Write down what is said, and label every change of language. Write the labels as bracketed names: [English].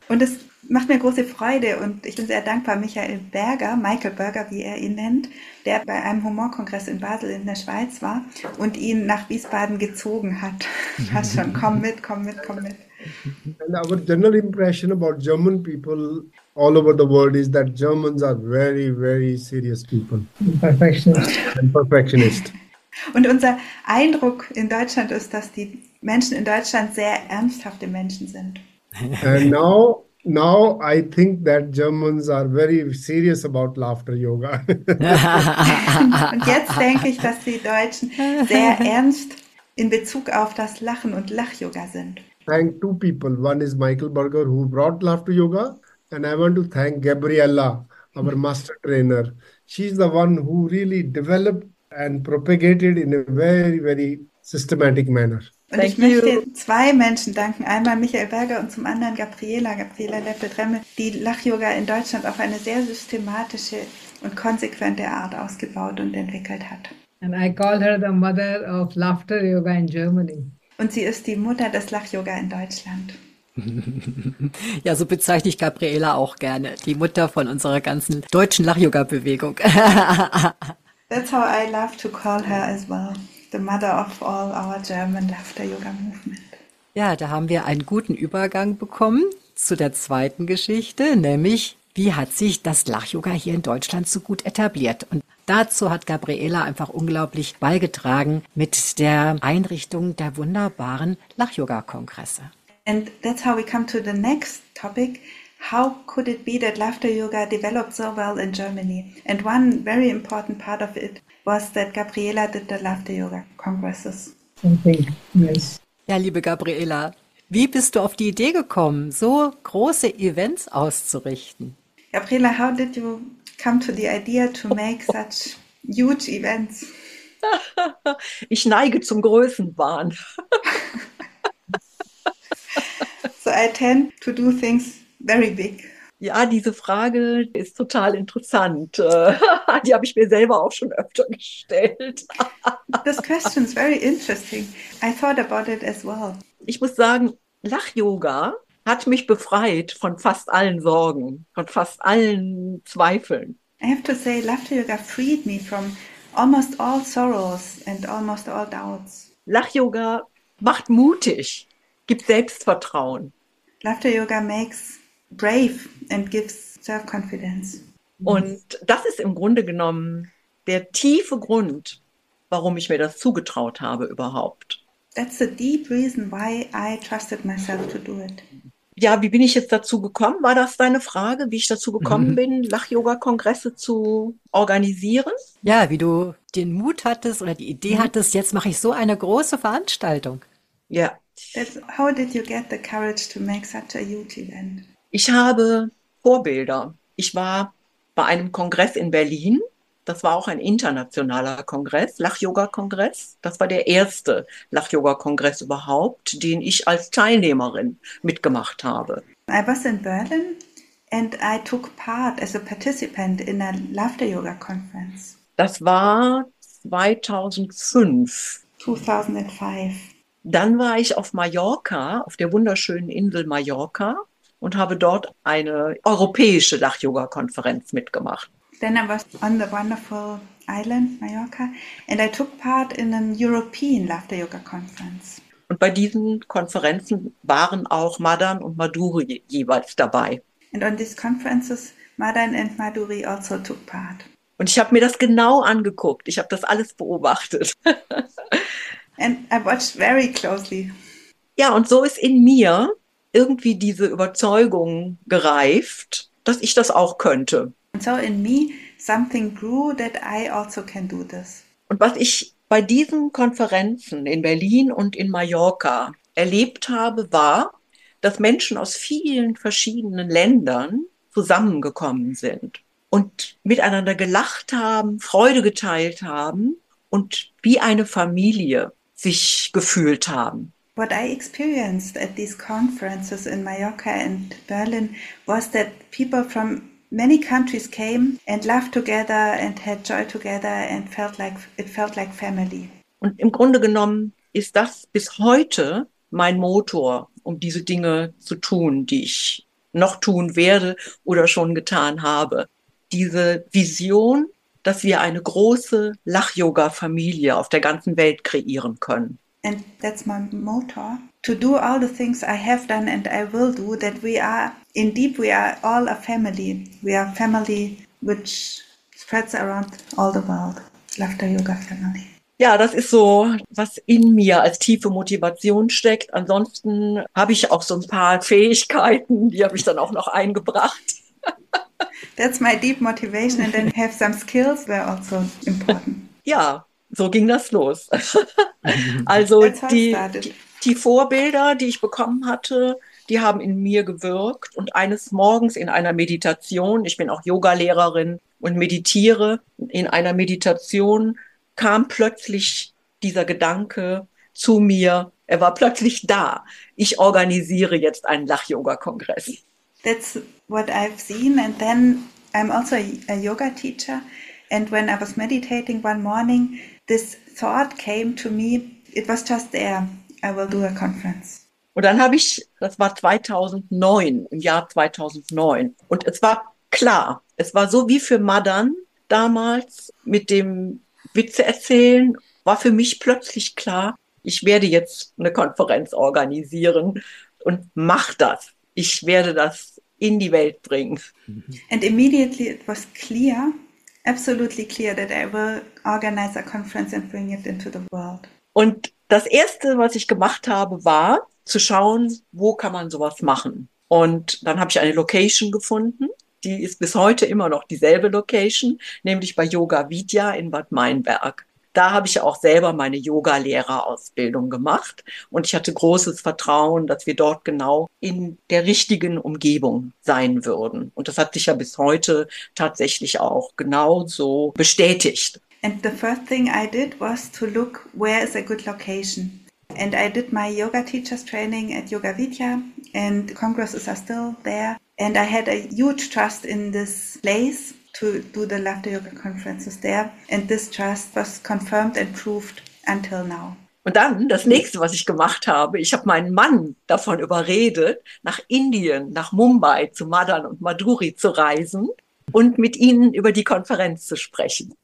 [German] Und es macht mir große Freude und ich bin sehr dankbar, Michael Berger, wie er ihn nennt, der bei einem Humorkongress in Basel in der Schweiz war und ihn nach Wiesbaden gezogen hat. Hast schon, komm mit. [English] And our general impression about German people all over the world is that Germans are very, very serious people. Perfectionist. [German] Und unser Eindruck in Deutschland ist, dass die Menschen in Deutschland sehr ernsthafte Menschen sind. [English] And now I think that Germans are very serious about laughter yoga. [German] Und jetzt denke ich, dass die Deutschen sehr ernst in Bezug auf das Lachen und Lach-Yoga sind. [English] Thank two people. One is Michael Berger, who brought laughter yoga. And I want to thank Gabriella, our master trainer. She's the one who really developed and propagated in a very, very systematic manner. [German] Und thank ich you. Möchte zwei Menschen danken. Einmal Michael Berger und zum anderen Gabriela Leppel-Dremmel, die Lach-Yoga in Deutschland auf eine sehr systematische und konsequente Art ausgebaut und entwickelt hat. [English] And I call her the mother of laughter yoga in Germany. [German] Und sie ist die Mutter des Lach-Yoga in Deutschland. Ja, so bezeichne ich Gabriela auch gerne. Die Mutter von unserer ganzen deutschen Lach-Yoga-Bewegung. [English] That's how I love to call her as well. The mother of all our German Laughter-Yoga-Movement. [German] Ja, da haben wir einen guten Übergang bekommen zu der zweiten Geschichte, nämlich wie hat sich das Lach-Yoga hier in Deutschland so gut etabliert? Und dazu hat Gabriela einfach unglaublich beigetragen mit der Einrichtung der wunderbaren Lach-Yoga-Kongresse. [English] And that's how we come to the next topic. How could it be that laughter yoga developed so well in Germany? And one very important part of it was that Gabriela did the laughter yoga congresses. Okay, yes. [German] Ja, liebe Gabriela, wie bist du auf die Idee gekommen, so große Events auszurichten? [English] Gabriela, how did you come to the idea to make such huge events? [German] Ich neige zum Größenwahn. [English] So I tend to do things very big. [German] Ja, diese Frage ist total interessant. Die habe ich mir selber auch schon öfter gestellt. [English] This question is very interesting. I thought about it as well. [German] Ich muss sagen, Lach-Yoga hat mich befreit von fast allen Sorgen, von fast allen Zweifeln. [English] I have to say, Laughter Yoga freed me from Almost all sorrows and almost all doubts. [German] Lach-Yoga macht mutig, gibt Selbstvertrauen. [English] Laughter-Yoga makes brave and gives self-confidence. [German] Und das ist im Grunde genommen der tiefe Grund, warum ich mir das zugetraut habe überhaupt. [English] That's the deep reason why I trusted myself to do it. [German] Ja, wie bin ich jetzt dazu gekommen? War das deine Frage, wie ich dazu gekommen bin, Lach-Yoga-Kongresse zu organisieren? Ja, wie du den Mut hattest oder die Idee hattest, jetzt mache ich so eine große Veranstaltung. Ja. [English] How did you get the courage to make such a huge event? [German] Ich habe Vorbilder. Ich war bei einem Kongress in Berlin. Das war auch ein internationaler Kongress, Lach-Yoga-Kongress. Das war der erste Lach-Yoga-Kongress überhaupt, den ich als Teilnehmerin mitgemacht habe. [English] I was in Berlin and I took part as a participant in a Laughter-Yoga-Conference. [German] Das war 2005. 2005. Dann war ich auf Mallorca, auf der wunderschönen Insel Mallorca und habe dort eine europäische Lach-Yoga-Konferenz mitgemacht. [English] Then I was on the wonderful island, Mallorca, and I took part in an European Laughter Yoga Conference. [German] Und bei diesen Konferenzen waren auch Madan und Madhuri jeweils dabei. [English] And on these conferences, Madan and Madhuri also took part. [German] Und ich habe mir das genau angeguckt. Ich habe das alles beobachtet. [English] And I watched very closely. [German] Ja, und so ist in mir irgendwie diese Überzeugung gereift, dass ich das auch könnte. [English] And so in me something grew that I also can do this. [German] Und was ich bei diesen Konferenzen in Berlin und in Mallorca erlebt habe, war, dass Menschen aus vielen verschiedenen Ländern zusammengekommen sind und miteinander gelacht haben, Freude geteilt haben und wie eine Familie sich gefühlt haben. [English] What I experienced at these conferences in Mallorca and Berlin was that people from many countries came and laughed together and had joy together and felt like family. [German] Und im Grunde genommen ist das bis heute mein Motor, um diese Dinge zu tun, die ich noch tun werde oder schon getan habe. Diese Vision, dass wir eine große Lach-Yoga-Familie auf der ganzen Welt kreieren können. [English] And that's my motor. To do all the things I have done and I will do, that we are, in deep, we are all a family. We are a family which spreads around all the world. Laughter Yoga Family. [German] Ja, das ist so, was in mir als tiefe Motivation steckt. Ansonsten habe ich auch so ein paar Fähigkeiten, die habe ich dann auch noch eingebracht. [English] That's my deep motivation and then have some skills were also important. [German] Ja, so ging das los. Also die Vorbilder, die ich bekommen hatte, die haben in mir gewirkt. Und eines Morgens in einer Meditation, ich bin auch Yogalehrerin und meditiere, in einer Meditation kam plötzlich dieser Gedanke zu mir. Er war plötzlich da. Ich organisiere jetzt einen Lach-Yoga-Kongress. [English] That's what I've seen. And then I'm also a yoga teacher. And when I was meditating one morning, this thought came to me. It was just there. I will do a conference. [German] Und dann habe ich, das war 2009, im Jahr 2009. Und es war klar, es war so wie für Madan damals mit dem Witze erzählen, war für mich plötzlich klar, ich werde jetzt eine Konferenz organisieren und mach das. Ich werde das in die Welt bringen. [English] And immediately it was clear, absolutely clear, that I will organize a conference and bring it into the world. [German] Und das Erste, was ich gemacht habe, war zu schauen, wo kann man sowas machen. Und dann habe ich eine Location gefunden, die ist bis heute immer noch dieselbe Location, nämlich bei Yoga Vidya in Bad Meinberg. Da habe ich auch selber meine Yoga-Lehrerausbildung gemacht und ich hatte großes Vertrauen, dass wir dort genau in der richtigen Umgebung sein würden. Und das hat sich ja bis heute tatsächlich auch genau so bestätigt. [English] And the first thing I did was to look where is a good location. And I did my yoga teachers training at Yoga Vidya and congresses are still there. And I had a huge trust in this place to do the Laughter Yoga conferences there. And this trust was confirmed and proved until now. [German] Und dann das nächste, was ich gemacht habe, ich habe meinen Mann davon überredet, nach Indien, nach Mumbai zu Madan und Madhuri zu reisen. und mit Ihnen über die Konferenz zu sprechen.